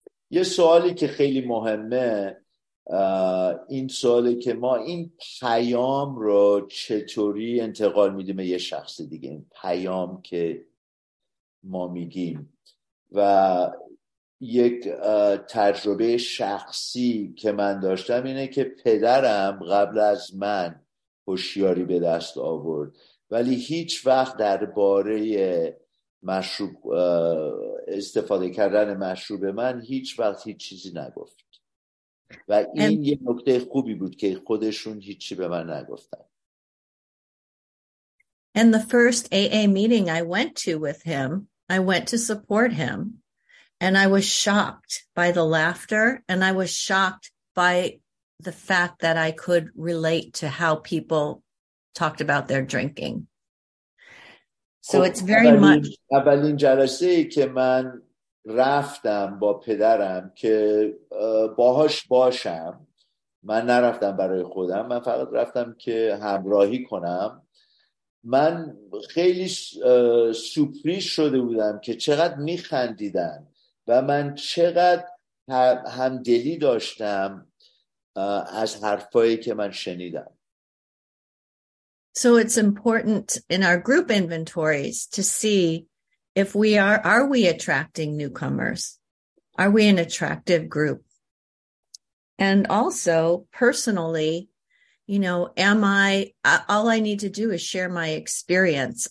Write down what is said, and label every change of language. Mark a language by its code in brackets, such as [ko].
[fa] یه سوالی که خیلی مهمه این سوالی که ما این پیام رو چطوری انتقال میدیم به یه شخص دیگه، این پیام که ما میگیم و یک تجربه شخصی که من داشتم اینه که پدرم قبل از من هوشیاری به دست آورد ولی هیچ وقت درباره مشروب استفاده کردن مشروب من هیچ وقت هیچ چیزی نگفت و این یه نکته خوبی بود که خودشون هیچی به من نگفتن. [en] And the first AA meeting I went to with him, I went to support him and I was shocked by the laughter and I was shocked by the fact that I could relate to how people talked about their drinking. So it's very much. [fa] اولین جلسه ای که من رفتم با پدرم که باهاش باشم، من نرفتم برای خودم، من فقط رفتم که همراهی کنم. من خیلی سورپرایز شده بودم که چقدر میخندیدن و من چقدر همدلی داشتم از حرفایی که من شنیدم. [en] So it's important in our group inventories to see if we are we attracting newcomers? Are we an attractive group? And also, personally, you know, am I, all I need to do is share my experience.